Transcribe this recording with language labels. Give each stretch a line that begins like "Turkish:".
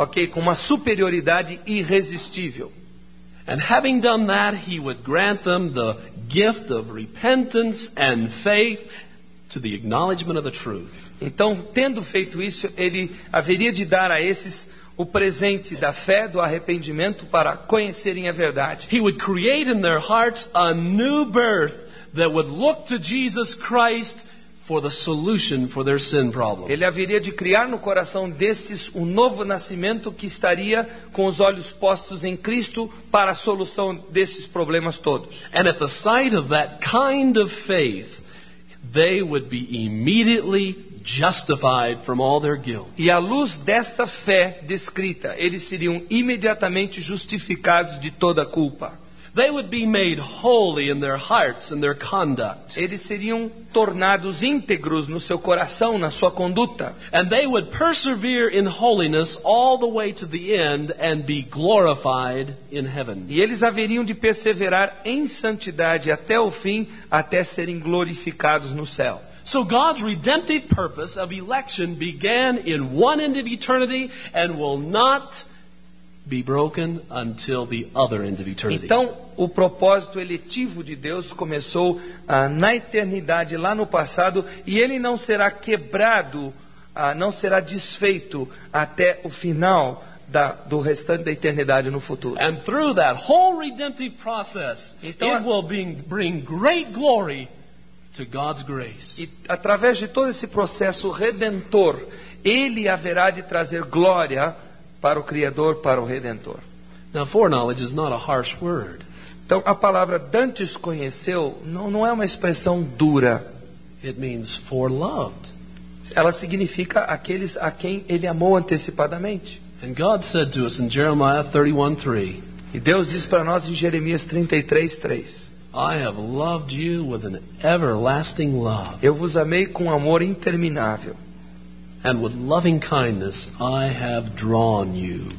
Portuguese: Okay, com uma superioridade irresistível.
English: And having done that, he would grant them the gift of repentance and faith to the acknowledgement of the truth.
Portuguese: Então, tendo feito isso, ele haveria de dar a esses o presente da fé, do arrependimento, para conhecerem a verdade.
English: He would create in their hearts a new birth that would look to Jesus Christ for the solution for their sin problem.
Portuguese: Ele haveria de criar no coração desses um novo nascimento que estaria com os olhos postos em Cristo para a solução desses problemas todos.
English: And at the sight of that kind of faith, they would be immediately justified from all their guilt.
Portuguese: E à luz dessa fé descrita, eles seriam imediatamente justificados de toda a culpa.
English: They would be made holy in their hearts and their conduct.
Portuguese: Eles seriam tornados íntegros no seu coração, na sua conduta.
English: And they would persevere in holiness all the way to the end and be glorified in heaven.
Portuguese: E eles haveriam de perseverar em santidade até o fim, até serem glorificados no céu.
English: So God's redemptive purpose of election began in one end of eternity and will not be broken until the other end of eternity.
Portuguese: Então, o propósito eletivo de Deus começou na eternidade, lá no passado, e ele não será quebrado, não será desfeito até o final do restante da eternidade no futuro.
English: And through that whole redemptive process, então, it will bring great glory to God's grace.
Portuguese: E através de todo esse processo redentor, ele haverá de trazer glória para o Criador, para o Redentor.
English: Now, foreknowledge is not a harsh word.
Portuguese: Então, a palavra Dantes conheceu não é uma expressão dura.
English: It means foreloved.
Portuguese: Ela significa aqueles a quem ele amou antecipadamente.
English: And God said to us in Jeremiah 31:3.
Portuguese: E Deus disse para nós em Jeremias 33:3.
English: I have loved you with an everlasting love.
Portuguese: Eu vos amei com amor interminável.
English: And with loving kindness I have drawn you.